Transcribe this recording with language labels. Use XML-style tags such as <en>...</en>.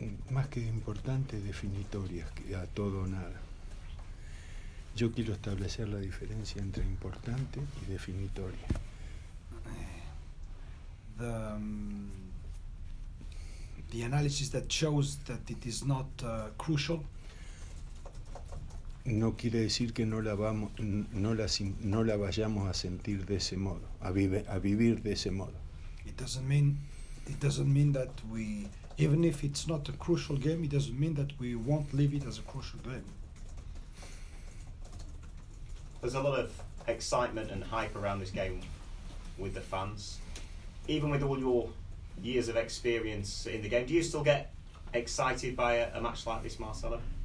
<es>Más que importante, definitorias, que a todo o nada. Yo quiero establecer la diferencia entre importante y definitoria.</es> <en>The analysis that shows that it is not crucial.</en> <es>No quiere decir que no la vayamos a sentir de ese modo, a vivir de ese modo.</es> <en>It doesn't mean that we, even if it's not a crucial game, it doesn't mean that we won't live it as a crucial game. There's a lot of excitement and hype around this game with the fans. Even with all your years of experience in the game, do you still get excited by a match like this, Marcelo?</en>